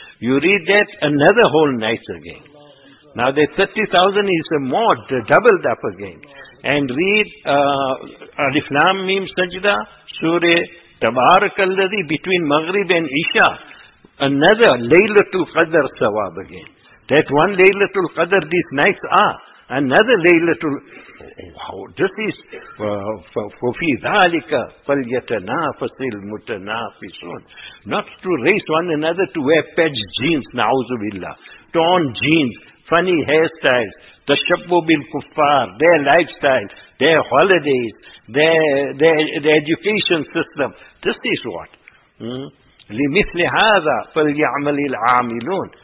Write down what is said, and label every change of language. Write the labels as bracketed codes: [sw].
[en] You read that, another whole night again. Now the 30,000 is more, doubled up again. And read Alif Lam Mim Sajda, Surah Tabarak al-Ladhi, between Maghrib and Isha, another Laylatul Qadr sawab again. That one Laylatul Qadr, these nights are another Laylatul. Wow, this is [ar] فِي ذَلِكَ فَلْيَتَنَافَسِ الْمُتَنَافِسُونَ. [en] Not to race one another to wear patched jeans, na'uzu billah, torn jeans, funny hairstyles, the shabbu bil kuffar, their lifestyle, their holidays, their education system. This is what? [ar] لِمِثْلِ هَذَا فَلْيَعْمَلِ الْعَامِلُونَ.